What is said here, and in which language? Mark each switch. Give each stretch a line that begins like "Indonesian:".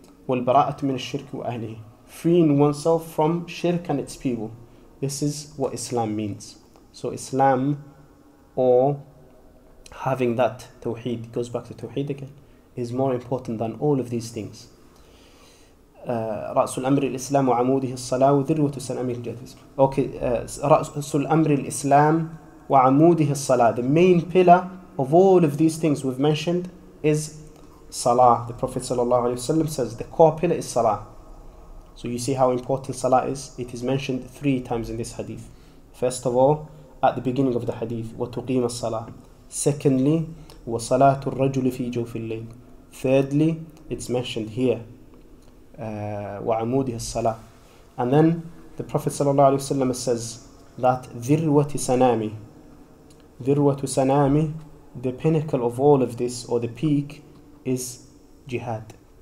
English: Wal-Bara'atu Min Ash-Shirki Wa Ahlihi, freeing oneself from shirk and its people. This is what Islam means. So Islam, or having that Tawheed, goes back to Tawheed again, is more important than all of these things.
Arabic: رأس الأمر الإسلام وعموده الصلاة وذروة سنامه الجسد. Okay, رأس الأمر الإسلام وعموده الصلاة.
English: The main pillar of all of these things we've mentioned is Salah. The Prophet ﷺ says the core pillar is Salah. So you see how important Salah is. It is mentioned three times in this hadith. First of all, at the beginning of the hadith,
Arabic: وتقيم الصلاة. Secondly, وصلاة الرجل في جوف الليل.
English: Thirdly, it's mentioned here,
Arabic: وعموده الصلاة.
English: And then the Prophet ﷺ says that
Arabic: ذروة سنامي. ذروة سنامي,
English: the pinnacle of all of this, or the peak, is jihad.